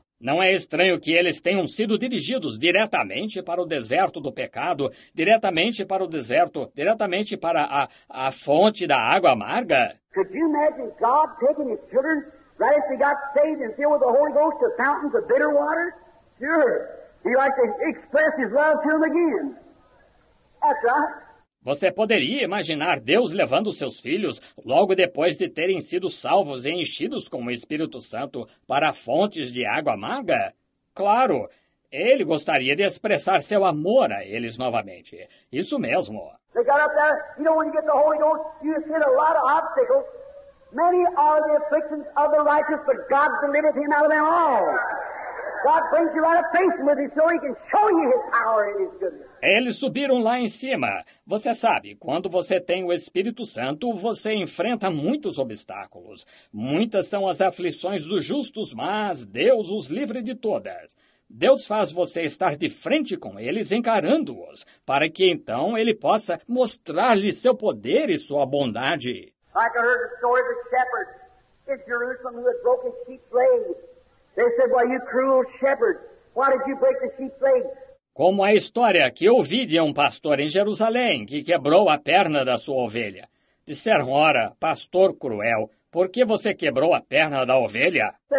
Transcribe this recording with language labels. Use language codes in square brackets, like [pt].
[pt] Não é estranho que eles tenham sido dirigidos diretamente para o deserto do pecado, diretamente para o deserto, diretamente para a fonte da água amarga? [en] Could you imagine God taking his children right as they got saved and filled with the Holy Ghost to fountains of bitter water? Sure. He likes to express his love to them again. That's right. [pt] Você poderia imaginar Deus levando seus filhos logo depois de terem sido salvos e enchidos com o Espírito Santo para fontes de água amarga? Claro, ele gostaria de expressar seu amor a eles novamente. Isso mesmo. [en] They got up there. You know, when you get the Holy Ghost, you just hit a lot of obstacles. Many are the afflictions of the righteous, but God delivered him out of them all. God brings you right up facing with him so he can show you his power and his goodness. [pt] Eles subiram lá em cima. Você sabe, quando você tem o Espírito Santo, você enfrenta muitos obstáculos. Muitas são as aflições dos justos, mas Deus os livre de todas. Deus faz você estar de frente com eles, encarando-os, para que então ele possa mostrar-lhe seu poder e sua bondade. [en] Like I heard the story of the shepherd in Jerusalem who had broken sheep's leg. They said, "Why, you cruel shepherd, why did you break the sheep's leg?" [pt] Como a história que ouvi de um pastor em Jerusalém que quebrou a perna da sua ovelha. Disseram, ora, pastor cruel, por que você quebrou a perna da ovelha?